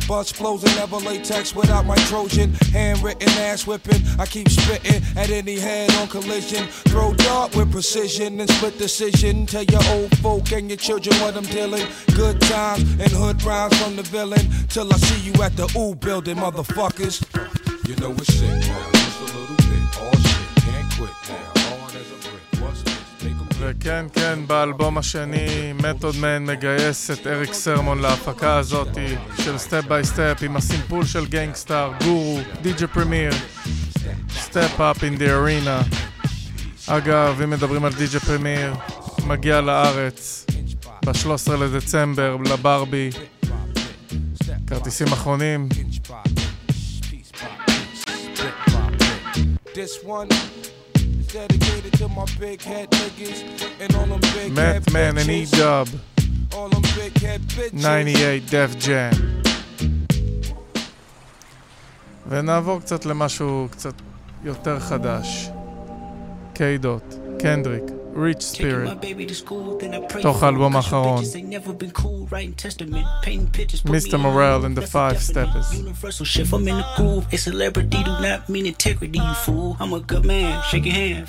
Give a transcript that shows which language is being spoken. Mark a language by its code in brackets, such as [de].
[en] Bust flows and never latex without my Trojan. Handwritten ass whipping, I keep spitting at any head on collision. Throw dart with precision and split decision. Tell your old folk and your children what I'm dealing. Good times and hood rhymes from the villain. Till I see you at the ooh building, motherfuckers. You know it's sick now, just a little bit. All shit, can't quit now. [he] וכן, כן, באלבום השני, Method Man מגייס את אריק סרמון להפקה הזאת של Step by Step עם הסימפול של גנגסטאר, גורו, דיג'י פרמיר, Step Up in the Arena. אגב, אם מדברים על דיג'י פרמיר, מגיע לארץ ב-13 לדצמבר לברבי. כרטיסים אחרונים. [en] This one dedicated to my big head niggas and all them big Meth head man bitches. And E-Dub, all them big head bitches. 98 Def Jam. [he] ונעבור קצת למשהו קצת יותר חדש. K-Dot, Kendrick, Rich Spirit, תוך האלבום האחרון, Mr. [en] Morrell and the Five Steppers. Universal shit, I'm in the groove. A celebrity do not mean integrity, you fool. I'm a good man, shake your hand.